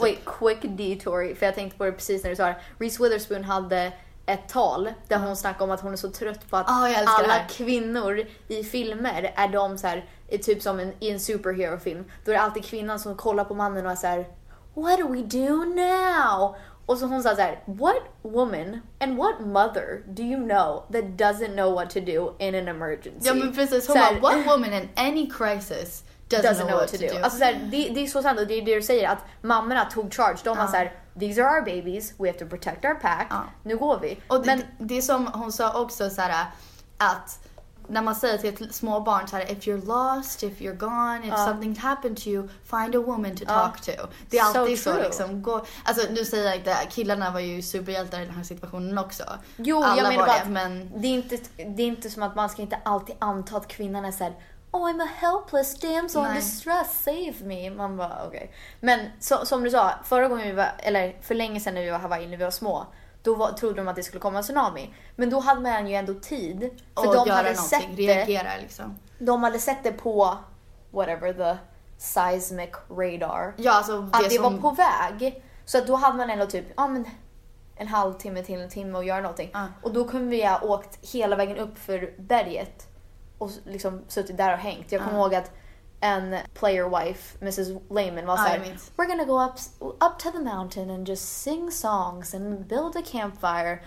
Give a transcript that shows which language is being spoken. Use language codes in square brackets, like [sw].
[en] Wait, quick detour, [sv] för jag tänkte på det precis när du sa det. Reese Witherspoon hade ett tal där hon snackar om att hon är så trött på att alla kvinnor i filmer är de så här, är typ som i en superhero film då är det alltid kvinnan som kollar på mannen och är så här, [en] what do we do now? [sv] Och så hon sa så här, [en] what woman and what mother do you know that doesn't know what to do in an emergency? [sv] Ja, men precis, hon bara, [en] what woman in any crisis doesn't know what to do. [sv] Alltså, så här, det är så sant. Och det är det du säger, att mammorna tog charge. De var så här, [en] these are our babies, we have to protect our pack. [sv] Nu går vi. Och men det som hon sa också så här, att när man säger till små barn så här, [en] if you're lost, if you're gone, if something happened to you, find a woman to talk to. [sv] Det är alltid så liksom, gå, alltså nu säger jag att killarna var ju superhjältar i den här situationen också. Jo, alla, jag menar bara att men det är inte som att man ska inte alltid anta att kvinnan är så här, [en] oh, I'm a helpless damsel in distress, save me. [sv] Man bara, okej. [en] Okay. [sv] Men så, som du sa, förra gången vi var, eller för länge sedan när vi var i Hawaii, när vi var små, då var, trodde de att det skulle komma en tsunami. Men då hade man ju ändå tid. För de hade sett det, reagera liksom. De hade sett det på, whatever, [en] the seismic radar. [sv] Ja, alltså det, att det som var på väg. Så att då hade man ändå typ, ja men, en halvtimme till en timme att göra någonting. Och då kunde vi ha åkt hela vägen upp för berget. Och liksom suttit där och hängt. Jag kommer ihåg att en player wife, Mrs. [en] Lehman, [sv] var såhär, [en] we're gonna go up to the mountain and just sing songs and build a campfire.